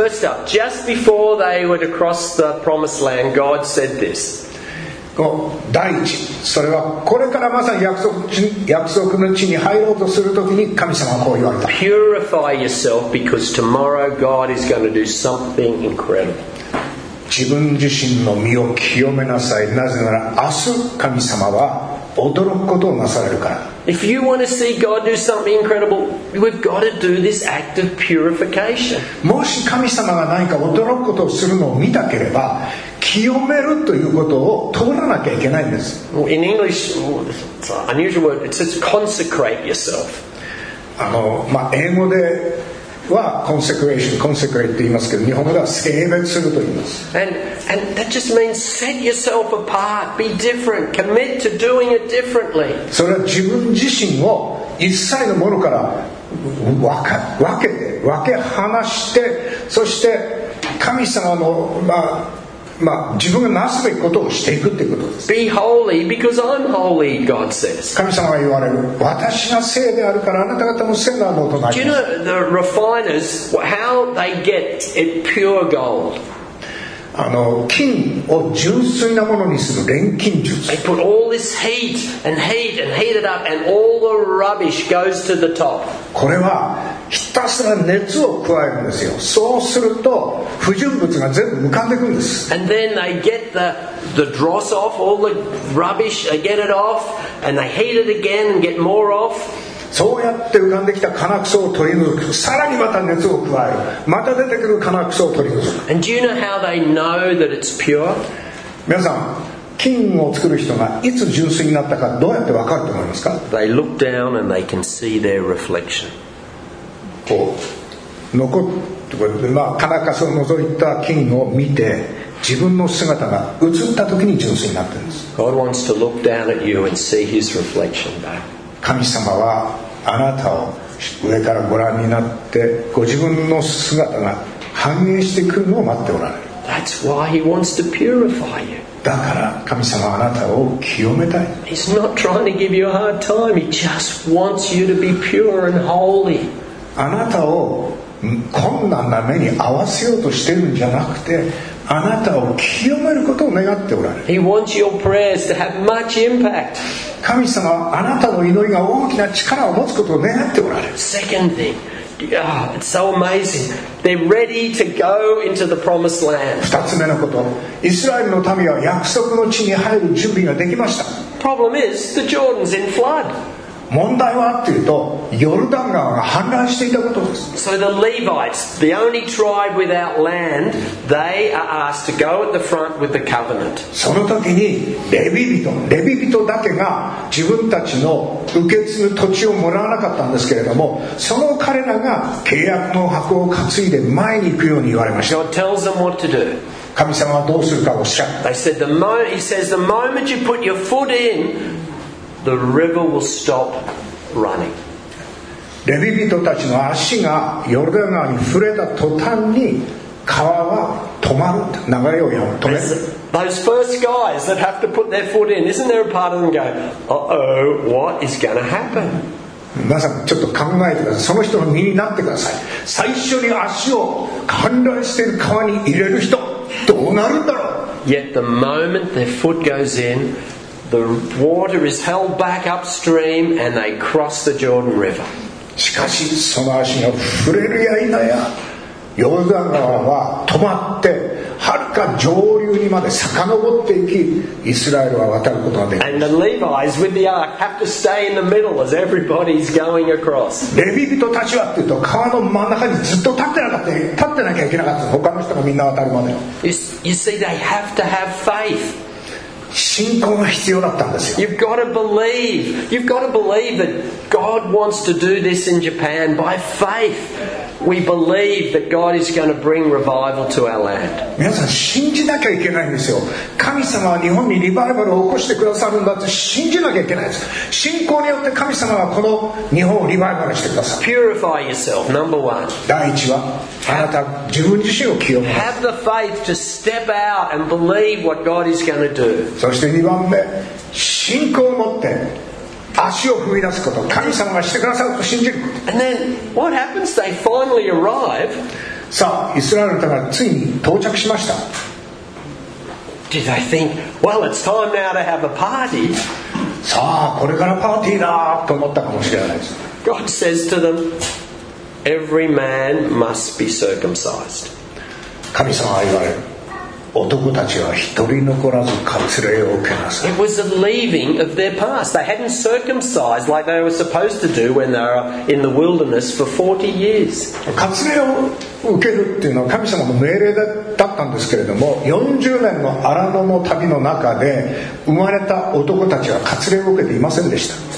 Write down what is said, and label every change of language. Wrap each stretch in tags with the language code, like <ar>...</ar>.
<en>First up, just before they were to cross the promised land, God said this.</en> <ja>第一、それはこれからまさに約束の地に入ろうとするときに神様はこう言われた。</ja> <en>Purify yourself because tomorrow God is going to do something incredible.</en> <ja>自分自身の身を清めなさい。なぜなら明日神様は驚くことをなされるから。</ja> <en>If you want to see God do something incredible, we've got to do this act of purification.</en> <ja>もし神様が何か驚くことをするのを見たければ、清めるということを通らなきゃいけないんです。</ja> <en>Well, in English, it's an unusual word. It says consecrate yourself.</en> <ja>まあ、英語ではconsecration、consecrate と言いますけど、日本語では聖別すると言います。</ja> <en>And that just means set yourself apart, be different, commit to doing it differently.</en> <ja>それは自分自身を一切のものから分け離して、そして神様の、自分がなすべきことをしていくということです。</ja> <en>Be holy because I'm holy, God says.</en> <ja>神様が言われる、私が聖であるからあなた方も聖なのとなります。</ja> <en>Do you know the refiners, how they get it pure gold?</en> <ja>金を純粋なものにする錬金術。</ja> <en>They put all this heat and heat and heat it up and all the rubbish goes to the top.</en> <ja>これはひたすら熱を加えるんですよ。そうすると不純物が全部浮かんでくるんです。</ja> <en>And then they get the dross off, all the rubbish, they get it off and they heat it again and get more off.</en> <ja>そうやって浮かんできた金くそを取り除く。さらにまた熱を加える。また出てくる金くそを取り除く。</ja> <en>And do you know how they know that it's pure?</en> <ja>皆さん、金を作る人がいつ純粋になったかどうやって分かると思いますか？</ja> <en>They look down and they can see their reflection.</en> <ja>こう残って、金かすを除いた金を見て自分の姿が映った時に純粋になってるんです。</ja> <en>God wants to look down at you and see his reflection back.</en> <ja>神様はあなたを上からご覧になってご自分の姿が反映してくるのを待っておられる。</ja> <en>That's why he wants to purify you.</en> <ja>だから神様はあなたを清めたい。</ja> <en>He's not trying to give you a hard time. He just wants you to be pure and holy.</en> <ja>あなたを困難な目に合わせようとしてるんじゃなくて、あなたを清めることを願っておられる。</ja> <en>He wants your prayers to have much impact.</en> <ja>神様はあなたの祈りが大きな力を持つことを願っておられる。</ja> <en>Second thing, it's so amazing. They're ready to go into the promised land.</en> <ja>二つ目のこと、イスラエルの民は約束の地に入る準備ができました。</ja> <en>Problem is, the Jordan's in flood.</en> <ja>問題はっていうと、ヨルダン川が氾濫していたことです。</ja> <en>So the Levites, the only tribe without land, they are asked to go at the front with the covenant.</en> <ja>その時にレビ人だけが自分たちの受け継ぐ土地をもらわなかったんですけれども、その彼らが契約の箱を担いで前に行くように言われました。</ja> <en>God tells them what to do.</en> <ja>神様はどうするかおっしゃる。</ja> <en>They said he says the moment you put your foot in. The river will stop running.</en> <ja>レビ人たちの足がヨルダン川に触れた途端に川は止まる。流れを止める。</ja> <en>Those first guys that have to put their foot in, isn't there a part of them going, uh-oh, what is going to happen?</en> <ja>皆さんちょっと考えてください。その人の身になってください。最初に足を氾濫している川に入れる人、どうなるんだろう。</ja> <en>Yet the moment their foot goes in,The water is held back upstream and they cross the Jordan River.</en> <ja>しかしその足が触れるや否やヨルダン川は止まって遥か上流にまで遡っていき、イスラエルは渡ることができます。</ja> <en>And the Levites with the ark have to stay in the middle as everybody's going across.</en> <ja>レビ人たちはっていうと川の真ん中にずっと立ってなきゃいけなかった。他の人がみんな渡るまで。</ja> <en>You see, they have to have faith.</en> <ja>信仰が必要だったんですよ。</ja> <en>You've got to believe. You've got to believe that God wants to do this in Japan. By faith, we believe that God is going to bring revival to our land.</en> <ja>皆さん信じなきゃいけないんですよ。神様は日本にリバイバルを起こしてくださるんだって信じなきゃいけないです。信仰によって神様はこの日本をリバイバルしてください。</ja> <en>Purify yourself, number one.</en> <ja>第一は、あなた自分自身を清め。</ja> <en>Have the faith to step out and believe what God is going to do.</en> <ja>そして2番目、信仰を持って足を踏み出すこと、神様がしてくださると信じること。</ja> <en>And then, what happens? They finally arrive.</en> <ja>さあ、イスラエルの民がついに到着しました。</ja> <en>Did they think, well, it's time now to have a party?</en> <ja>さあ、これからパーティーだーと思ったかもしれないです。</ja> <en>God says to them, every man must be circumcised.</en> <ja>神様は言われる、男たちは一人残らず割礼を受けなさい。</ja> <en>It was a leaving of their past. They hadn't circumcised like they were supposed to do when they were in the wilderness for 40 years.</en> <ja>割礼を受けるっていうのは神様の命令だったんですけれども、40年の荒野の旅の中で生まれた男たちは割礼を受けていませんでした。</ja>